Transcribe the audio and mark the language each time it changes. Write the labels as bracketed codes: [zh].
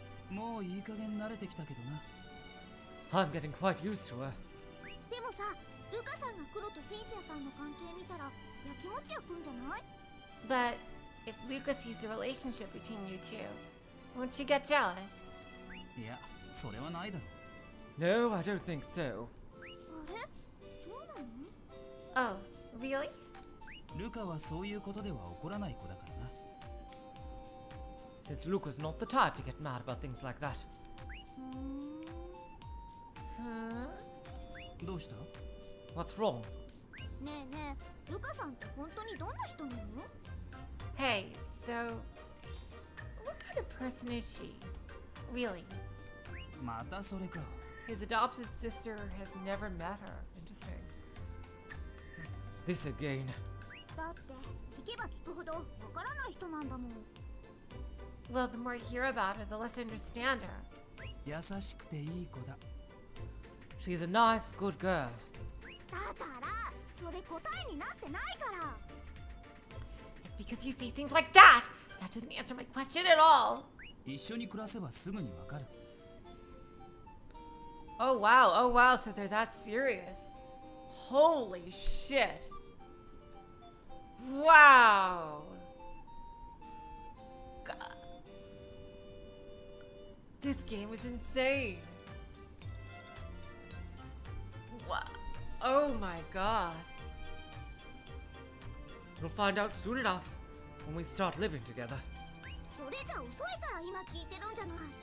[ja] もういい加減慣れてきたけどな。 [en] I'm getting quite used to her. [ja] でもさ、ルカさんが黒とシンシアさんの関係見たら、やきもち焼くんじゃない？ [en] But if Luca sees the relationship between you two, won't you get jealous? [ja] いや、それはないだろ。 [en] No, I don't think so. [ja] あれ？そうなの？ [en] Oh, really? [ja] ルカはそういうことでは怒らない子だからな。 [en] Since Luca's not the type to get mad about things like that. [ja] どうした? [en] What's wrong? [ja] ねえねえ、ルカさんって本当にどんな人なの? [en] Hey, so... What kind of person is she? Really? [ja] またそれか。 [en] His adopted sister has never met her. Interesting. This again. [ja] だって、聞けば聞くほどわからない人なんだもん。 [en] Well, the more you hear about her, the less you understand her. [ja] 優しくていい子だ。 [en] She's a nice, good girl. [ja] だから、それ答えになってないから。 [en] It's because you say things like that! That doesn't answer my question at all! [ja] 一緒に暮らせばすぐにわかる。 [en] oh wow, so they're that serious. Holy shit! Wow! This game is insane. What? Oh my god. We'll find out soon enough when we start living together. [ja] それじゃ遅いから今聞いてるんじゃない。